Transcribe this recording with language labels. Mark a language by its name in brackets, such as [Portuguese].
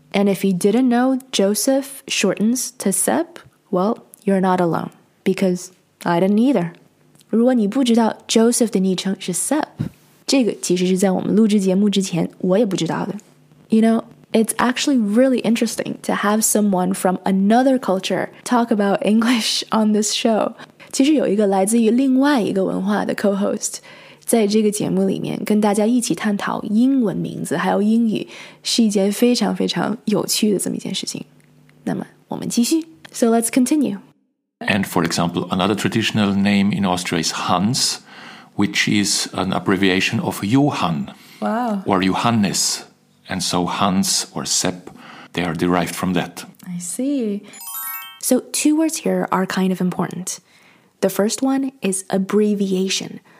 [English] And if you didn't know Joseph shortens to Sepp, well, you're not alone, because I didn't either. [Chinese] 如果你不知道 Joseph 的昵称是 Sepp, 这个其实是在我们录制节目之前我也不知道的。 [English] You know, it's actually really interesting to have someone from another culture talk about English on this show. [Chinese] 其实有一个来自于另外一个文化的 co-host,在这个节目里面跟大家一起探讨英文名字还有英语是一件非常非常有趣的这么一件事情。那么我们继续。 [English] So let's continue. And for example, another traditional name in Austria is Hans, which is an abbreviation of Johann. Wow. Or Johannes. And so Hans or Sepp, they are derived from that. I see. So two words here are kind of important. The first one is abbreviation.